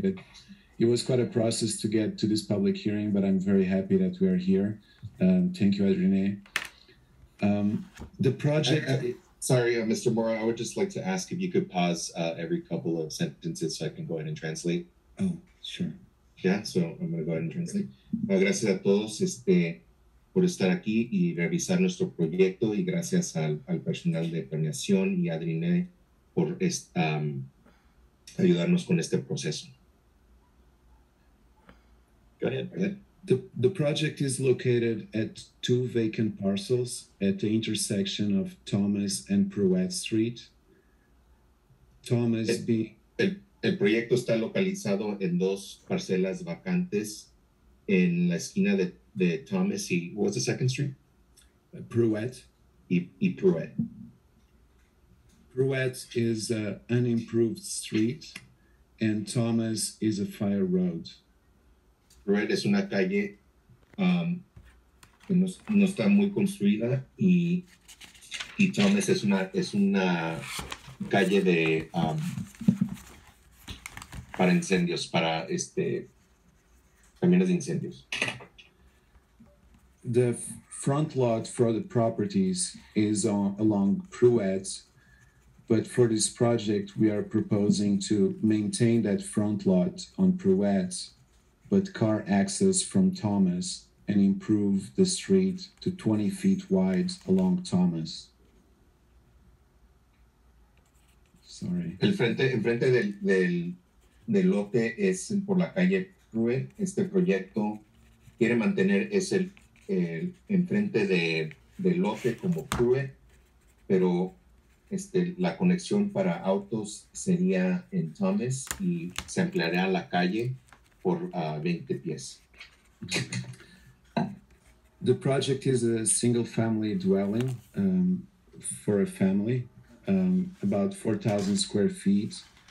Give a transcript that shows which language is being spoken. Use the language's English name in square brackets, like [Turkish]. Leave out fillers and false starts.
[English] But it was quite a process to get to this public hearing, but I'm very happy that we are here. Thank you, Adrienne. The project... Mr. Mora, I would just like to ask if you could pause every couple of sentences so I can go ahead and translate. Oh, sure. Yeah, so I'm going to go ahead and translate. [Spanish] Gracias a todos por estar aquí y revisar nuestro proyecto y gracias al personal de planeación y Adrienne por ayudarnos con este proceso. [English] Go ahead. The project is located at two vacant parcels at the intersection of Thomas and Pruett Street. Thomas being... [Spanish] El proyecto está localizado en dos parcelas vacantes en la esquina de Thomas y... [English] What was the second street? Pruett. [Spanish] Y Pruett. [English] Pruett is an unimproved street and Thomas is a fire road. [Spanish] Pruett es una calle que no está muy construida y Thomas es una calle de... para incendios, para caminos de incendios. [English] The front lot for the properties is along Pruett, but for this project, we are proposing to maintain that front lot on Pruett, but car access from Thomas and improve the street to 20 feet wide along Thomas. Sorry. [Spanish] El frente del lote es por la calle Rue. Este proyecto quiere mantener ese enfrente de lote como Rue, pero la conexión para autos sería en Thomas y se ampliará la calle por 20 pies. [English] The project is a single family dwelling for a family, about 4,000 square feet.